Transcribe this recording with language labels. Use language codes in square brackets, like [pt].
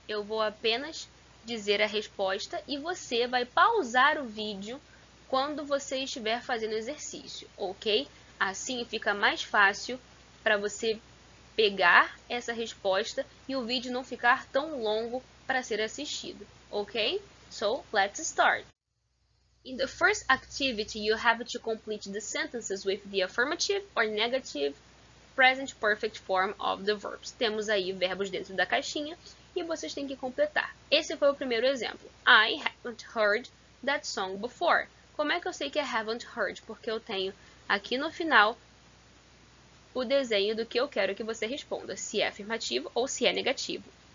[pt] Eu vou apenas dizer a resposta e você vai pausar o vídeo quando você estiver fazendo o exercício, ok? Assim fica mais fácil para você pegar essa resposta e o vídeo não ficar tão longo para ser assistido, ok? [en] So, let's start. In the first activity, you have to complete the sentences with the affirmative or negative present perfect form of the verbs. [pt] Temos aí verbos dentro da caixinha e vocês têm que completar. Esse foi o primeiro exemplo. [en] I haven't heard that song before. [pt] Como é que eu sei que é [en] haven't heard? [pt] Porque eu tenho aqui no final o desenho do que eu quero que você responda, se é afirmativo ou se é negativo.